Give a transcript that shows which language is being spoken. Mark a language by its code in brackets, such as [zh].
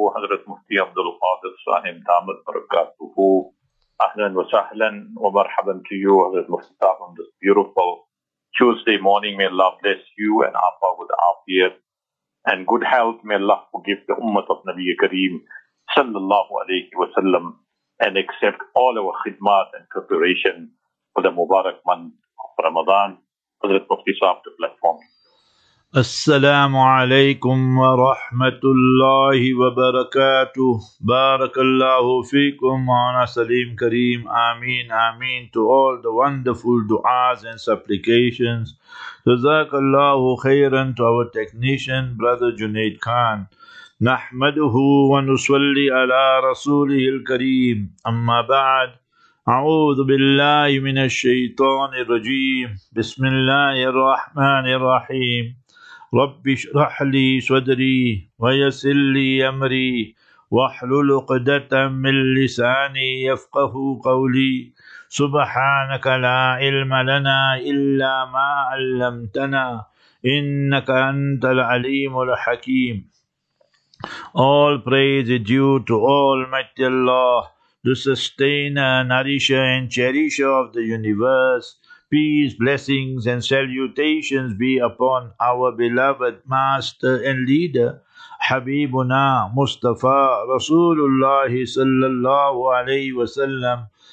[en] حضرت مفتی عبد القادر صاحب دامت برکاتہ، [ar] اهلا وسهلا ومرحبا [en] to you حضرت مفتی صاحب on this beautiful Tuesday morning. May Allah bless you and Afa with Afiyat and good health. May Allah forgive the ummah of Nabi Kareem صلی اللہ علیہ وسلم and accept all our خدمات and preparation for the مبارک month of Ramadan. حضرت مفتی صاحب the platform. [ar] السلام علیکم ورحمۃ اللہ وبرکاتہ. بارک اللہ فیکم. [en] مولانا سلیم کریم، آمین آمین to all the wonderful دعاز and supplications. [ar] جزاک اللہ خیرن [en] to our technician brother Junaid Khan. [ar] نحمده ونصلی علی رسوله الکریم، اما بعد، اعوذ باللہ من الشیطان الرجیم، بسم اللہ الرحمن الرحیم. رب اشرح لي صدري ويسر لي امري واحلل عقدة من لساني يفقهوا قولي. سبحانك لا علم لنا الا ما علمتنا انك انت العليم الحكيم. [en] All praise is due to Almighty Allah, the sustainer, nourisher and cherisher of the universe. Peace, blessings and salutations be upon our beloved master and leader Habibuna Mustafa Rasulullah sallallahu alayhi wa sallam.